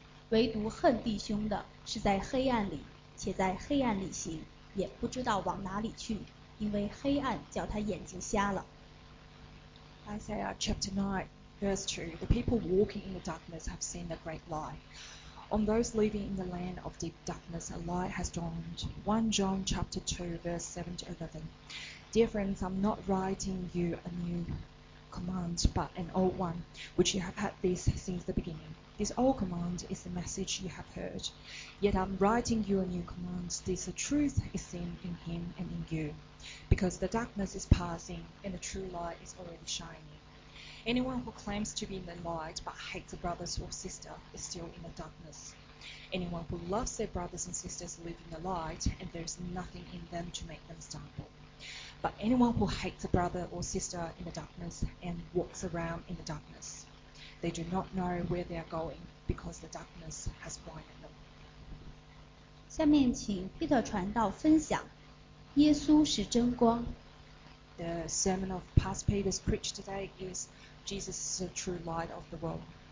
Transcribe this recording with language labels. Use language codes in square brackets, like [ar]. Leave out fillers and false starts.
[zh] 唯独恨弟兄的，是在黑暗里，且在黑暗里行，也不知道往哪里去，因为黑暗叫他眼睛瞎了。 [en] Isaiah chapter 9 verse 2 The people walking in the darkness have seen a great light. On those living in the land of deep darkness, a light has dawned. 1 John chapter 2 verse 7 to 11 Dear friends, I'm not writing you a new command, but an old one, which you have had this since the beginning. This old command is the message you have heard. Yet I'm writing you a new command. This truth is seen in him and in you. Because the darkness is passing and the true light is already shining. Anyone who claims to be in the light but hates a brother or sister is still in the darkness. Anyone who loves their brothers and sisters live in the light and there is nothing in them to make them stumble. But anyone who hates a brother or sister in the darkness and walks around in the darkness,They do not know where they are going because the darkness has blinded them. [zh] 下面请 Peter 传道分享耶稣是真光。 [en] The sermon of Pastor Peter's preached today is Jesus is the true light of the world.